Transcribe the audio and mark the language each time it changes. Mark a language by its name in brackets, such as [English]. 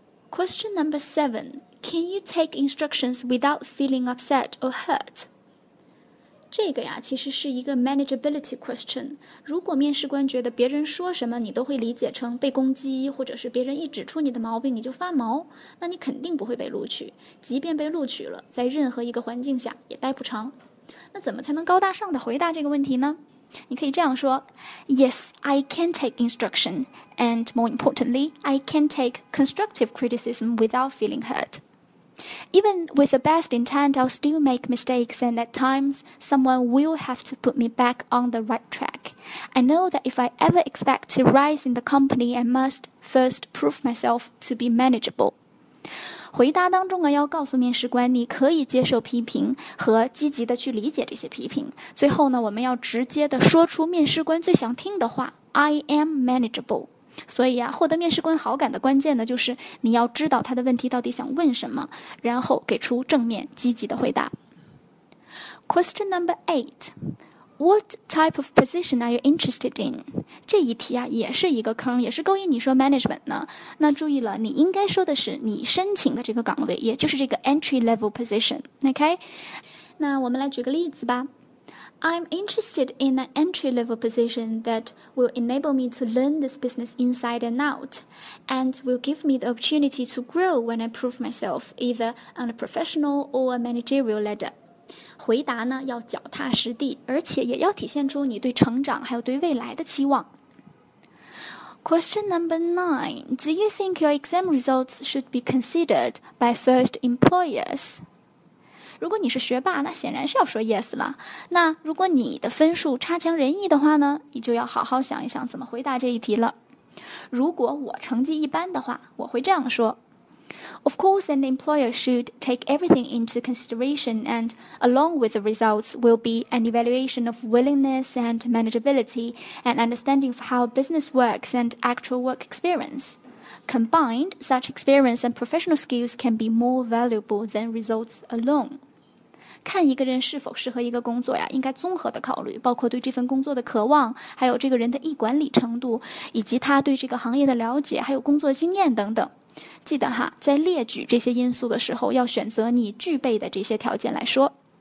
[English] Question number 7. Can you take instructions without feeling upset or hurt? [Chinese] 这个呀，其实是一个 [English] manageability question. [Chinese] 如果面试官觉得别人说什么你都会理解成被攻击，或者是别人一指出你的毛病你就发毛，那你肯定不会被录取。即便被录取了，在任何一个环境下也待不长。那怎么才能高大上地回答这个问题呢？你可以这样说 [English] ,Yes, I can take instruction, and more importantly, I can take constructive criticism without feeling hurt. Even with the best intent, I'll still make mistakes, and at times, someone will have to put me back on the right track. I know that if I ever expect to rise in the company, I must first prove myself to be manageable. [Chinese] 回答当中啊，要告诉面试官你可以接受批评和积极的去理解这些批评。最后呢，我们要直接的说出面试官最想听的话 , [English] I am manageable。 [Chinese] 所以啊，获得面试官好感的关键呢，就是你要知道他的问题到底想问什么，然后给出正面积极的回答。 [English] Question number 8. What type of position are you interested in? [Chinese] 这一题啊，也是一个坑，也是勾引你说 management 呢。那注意了，你应该说的是你申请的这个岗位，也就是这个 [English] entry level position. [Chinese] OK? 那我们来举个例子吧。 [English] I'm interested in an entry level position that will enable me to learn this business inside and out, and will give me the opportunity to grow when I prove myself either on a professional or a managerial ladder. [Chinese] 回答呢要脚踏实地，而且也要体现出你对成长还有对未来的期望。 [English] Question number 9. Do you think your exam results should be considered by first employers? [Chinese] 如果你是学霸，那显然是要说 yes 了。那如果你的分数差强人意的话呢，你就要好好想一想怎么回答这一题了。如果我成绩一般的话，我会这样说。 [English] Of course, an employer should take everything into consideration, and along with the results will be an evaluation of willingness and manageability and understanding of how business works and actual work experience. Combined, such experience and professional skills can be more valuable than results alone. [Chinese] 看一个人是否适合一个工作呀，应该综合的考虑，包括对这份工作的渴望，还有这个人的一管理程度，以及他对这个行业的了解，还有工作经验等等。记得哈，在列举这些因素的时候，要选择你具备的这些条件来说。